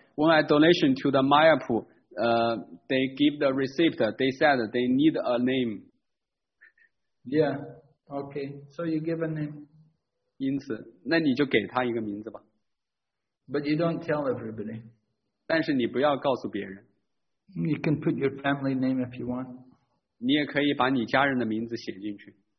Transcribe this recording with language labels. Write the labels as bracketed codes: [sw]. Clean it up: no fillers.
[en] When I donation to the Mayapur, they give the receipt. They said they need a name. Yeah. Okay. So you give a name. [zh] 因此，那你就给他一个名字吧。 [en] But you don't tell everybody. [zh] 但是你不要告诉别人。 [en] You can put your family name if you want. [zh] 你也可以把你家人的名字写进去。